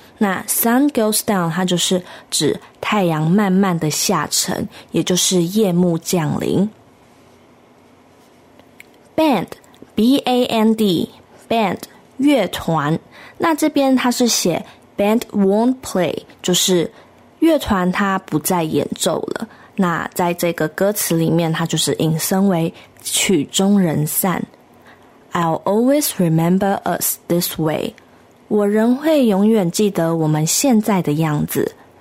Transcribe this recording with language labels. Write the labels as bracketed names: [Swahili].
[Chinese] 那 [English] Sun goes down [Chinese] 它就是指太阳慢慢的下沉，也就是夜幕降临。 [English] Band, B-A-N-D, band, [Chinese] 乐团。那这边它是写 [English] band won't play， [Chinese] 就是乐团它不再演奏了。那在这个歌词里面，它就是引申为曲终人散。 [English] I'll always remember us this way， [Chinese] 我仍会永远记得我们现在的样子。